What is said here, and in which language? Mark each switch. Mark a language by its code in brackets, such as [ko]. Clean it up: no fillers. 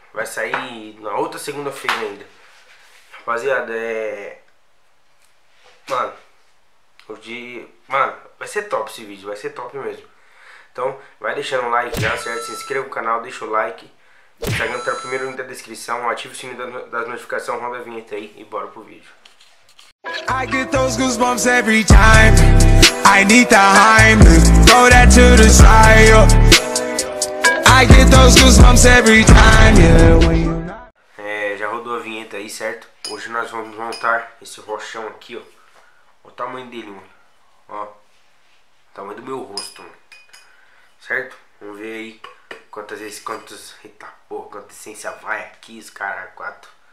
[pt] Vai sair na outra segunda-feira ainda. Rapaziada, é... Mano, hoje... Mano, vai ser top esse vídeo, vai ser top mesmo. Então, vai deixando o like já, certo? Se inscreva no canal, deixa o like. O Instagram tá no primeiro link da descrição. Ativa o sininho das notificações, roda a vinheta aí e bora pro vídeo. [en] I get those goosebumps every time. I need the Heimlich, throw that to the side, yo. I get those goosebumps every time, yeah, when you... [pt] É, já rodou a vinheta aí, certo? Hoje nós vamos montar esse rochão aqui, ó. O tamanho dele, mano. Ó. O tamanho do meu rosto, mano. Certo? Vamos ver aí quantas vezes, Eita porra, quanta essência vai aqui, os caras, quatro.